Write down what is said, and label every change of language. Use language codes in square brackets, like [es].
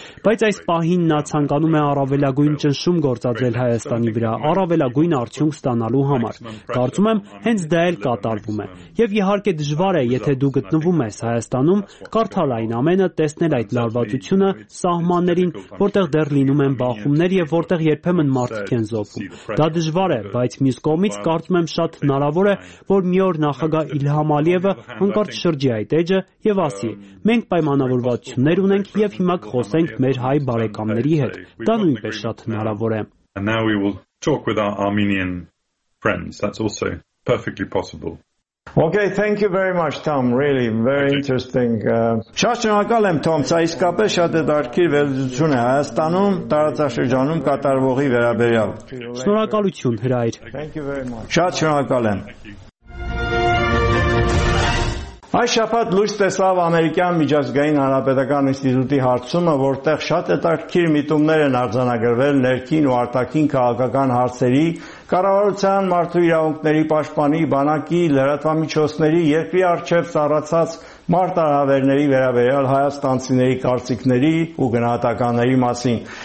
[hy] Բայց այս պահին նա ցանկանում է առավելագույն ճնշում գործադրել Հայաստանի վրա, առավելագույն արդյունք ստանալու համար։ Կարծում եմ, հենց դա էլ կատարվում է։ Եվ իհարկե դժվար է, եթե դու գտնվում ես Հայաստանում, կարդալ այն ամենը, տեսնել այդ լարվածությունը սահմաններին, որտեղ դեռ լինում են բախումներ եւ որտեղ երբեմն մարդիկ են զոհվում։ Դա դժվար է, բայց մյուս կողմից կարծում եմ շատ հնարավոր է, որ մի օր նախագահ Իլհամ Ալիևը հանկարծ շրջի այդ էջը եւ ասի. «Մենք պայմանավորվածություններ ունենք եւ հիմա կխոսենք մեր հայ բարեկամների հետ»։ Դա նույնպես շատ հնարավոր է։ [en] Now we will talk with our Armenian friends. That's also perfectly possible. Okay, thank you very much, Tom. Really, very interesting. [hy] Շնորհակալ եմ, Թոմ, ça իսկապես շատ է դարձքիր վերլուծություն է Հայաստանում տարածաշրջանում կատարվողի վերաբերյալ։ Շնորհակալություն, հրայր։ [en] Thank you very much. [hy] Շատ շնորհակալ եմ։ Այս շաբաթ լույս տեսավ Ամերիկյան միջազգային հանրապետական ինստիտուտի հարցումը, որտեղ շատ հետաքրքիր միտումներ են արձանագրվել ներքին ու արտաքին քաղաքական հարցերի, կառավարության, մարդու իրավունքների պաշտպանի, բանակի, լրատվամիջոցների, երկրի առջև ծառացած մարտահրավերների վերաբերյալ հայաստանցիների կարծիքների ու գնահատականների մասին։